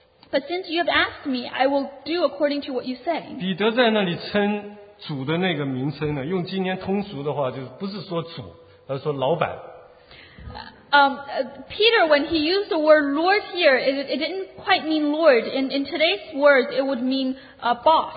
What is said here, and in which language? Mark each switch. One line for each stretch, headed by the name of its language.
English: but since you have asked me, I will do according to what you say.
Chinese: 彼得在那里称主的那个名称呢, 用今天通俗的话, 就不是说主, 而是说老板。
English: Peter, when he used the word Lord here, it didn't quite mean Lord. In today's words, it would mean boss.